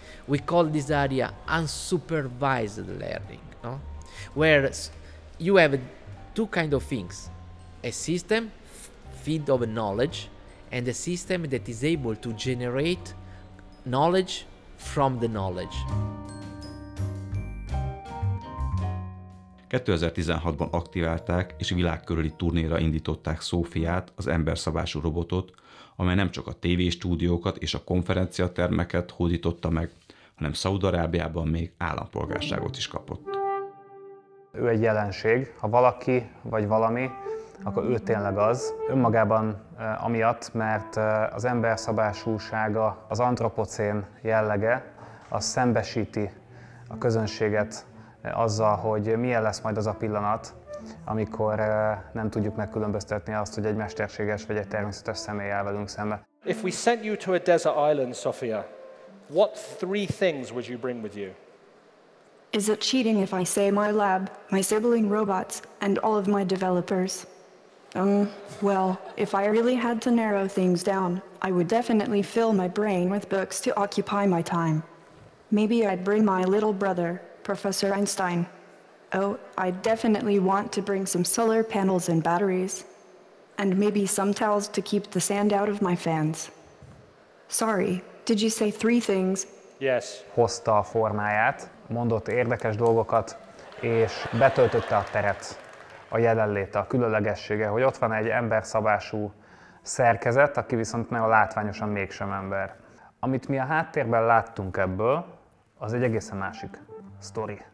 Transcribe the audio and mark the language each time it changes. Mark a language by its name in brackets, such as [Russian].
[English] We call this area unsupervised learning, no? Where you have two kind of things, a system feed of knowledge and a system that is able to generate knowledge from the knowledge. [Hungarian] 2016-ban aktiválták és világkörüli turnéra indították Szófiát, az emberszabású robotot, amely nem csak a tévéstúdiókat és a konferenciatermeket hódította meg, hanem Szaúd-Arábiában még állampolgárságot is kapott. Ő egy jelenség, ha valaki vagy valami, akkor ő tényleg az. Önmagában amiatt, mert az emberszabásúsága, az antropocén jellege, az szembesíti a közönséget azzal, hogy milyen lesz majd az a pillanat, amikor nem tudjuk megkülönböztetni azt, hogy egy mesterséges vagy egy természetes személy áll velünk szembe. [English] If we sent you to a desert island, Sophia, what three things would you bring with you? Is it cheating if I say my lab, my sibling robots, and all of my developers? Well, if I really had to narrow things down, I would definitely fill my brain with books to occupy my time. Maybe I'd bring my little brother, Professor Einstein. Oh, I definitely want to bring some solar panels and batteries. And maybe some towels to keep the sand out of my fans. Sorry, did you say three things? Yes. [Hungarian] Hozta a formáját, mondott érdekes dolgokat, és betöltötte a teret, a jelenléte, a különlegessége, hogy ott van egy emberszabású szerkezet, aki viszont nagyon látványosan mégsem ember. Amit mi a háttérben láttunk ebből, az egy egészen másik sztori.